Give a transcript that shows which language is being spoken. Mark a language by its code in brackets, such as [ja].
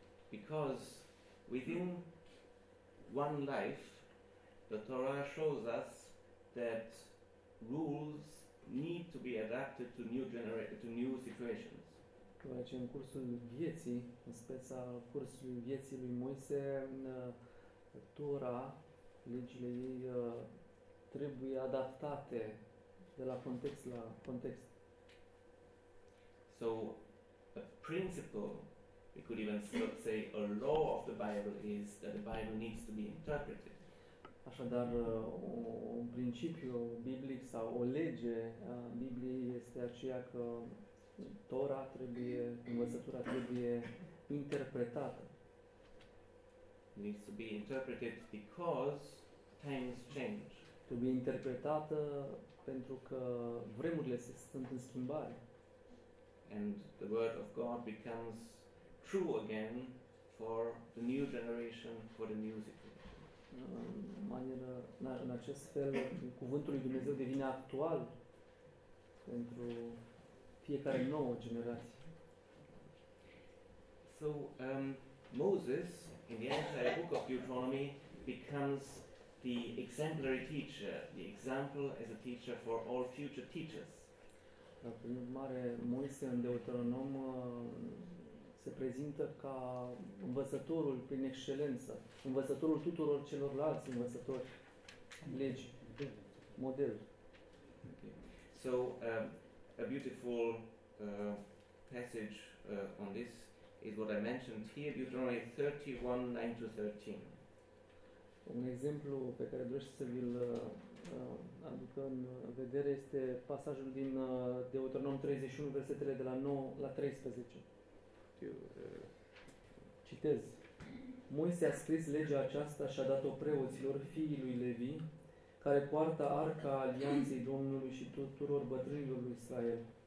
[en] Because within one life, the Torah shows us that rules need to be adapted to new to new situations. [ro] Deoarece în cursul vieții, în speța cursului vieții lui Moise, Tora, legile ei trebuie adaptate de la context la context. [en] So a principle, we could even say a law of the Bible, is that the Bible needs to be interpreted. [ro] Așadar, un principiu biblic sau o lege a Bibliei este aceea că Tora trebuie, învățătura trebuie interpretată. [en] Needs to be interpreted because times change. [ro] trebuie interpretată pentru că vremurile se sunt în schimbare. [en] And the word of God becomes true again for the new generation, for the new situation. [ro] În acest fel, cuvântul lui Dumnezeu devine actual pentru fiecare nouă generație. [en] So Moses, in the entire book of Deuteronomy, becomes the exemplary teacher, the example as a teacher for all future teachers. [ro] Prin urmare, Moise în Deuteronom se prezintă ca învățătorul prin excelență, învățătorul tuturor celorlalți învățători legi, model. [en] So, a beautiful passage on this is what I mentioned here, Deuteronomy 31:9-13. [ro] Un exemplu pe care doresc să vi-l aduc în vedere este pasajul din Deuteronom 31, versetele de la 9 la 13. Citez. Moise a scris legea aceasta și a dat-o preoților, fiii lui Levi, care poartă arca alianței Domnului și tuturor bătrânilor lui Israel.